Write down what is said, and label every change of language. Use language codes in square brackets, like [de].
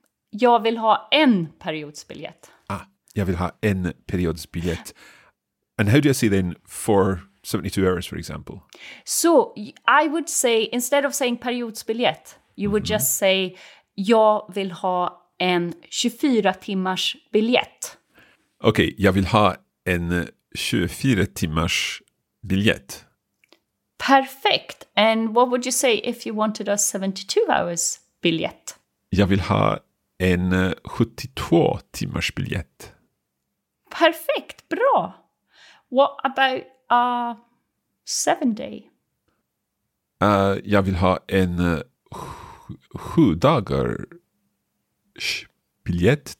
[sv] Jag vill ha en periodsbiljett. Ah, jag vill ha en periodsbiljett. [en] And how do you say then for 72 hours, for example? So I would say, instead of saying periodsbiljett, you mm-hmm. would just say, [sv] jag vill ha en 24 timmars biljett. Okej, okay, jag vill ha en 24 timmars biljett. [en] Perfect. And what would you say if you wanted a 72 hours biljett? [sv] Jag vill ha en 72 timmars biljett. [en] Perfect. [sv] Bra. [en] What about a 7 day? [sv] Jag vill ha en 7 dagars biljett.